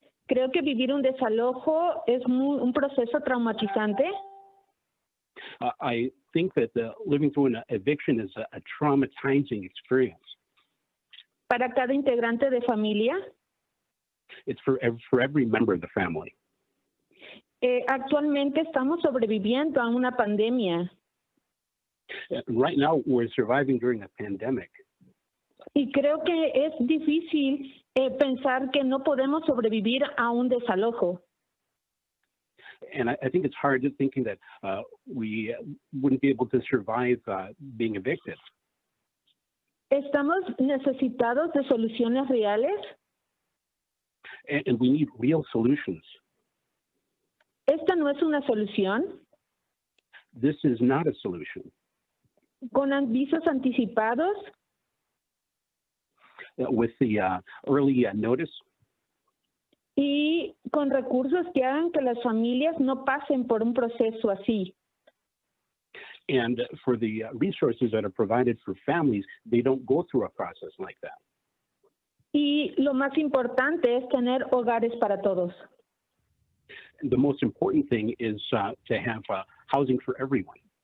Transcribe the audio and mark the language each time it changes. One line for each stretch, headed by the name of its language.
Spanish: Creo que vivir un desalojo es un proceso traumatizante.
English: I think that living through an eviction is a traumatizing experience.
Spanish: Para cada integrante de familia.
English: It's for every member of the family.
Spanish: Actualmente estamos sobreviviendo a una pandemia.
English: Right now, we're surviving during a pandemic.
Spanish: Y creo que es difícil pensar que no podemos sobrevivir a un desalojo.
English: And I think it's hard to thinking that we wouldn't be able to survive being evicted.
Spanish: Estamos necesitados de soluciones reales.
English: And we need real solutions.
Spanish: Esta no es una solución.
English: This is not a solution.
Spanish: Con avisos anticipados.
English: With the early notice.
Spanish: Y con recursos que hagan que las familias no pasen por un proceso así.
English: And for the resources that are provided for families, they don't go through a process like that.
Spanish: Y lo más importante es tener hogares para todos.
English: The most important thing is to have housing for everyone.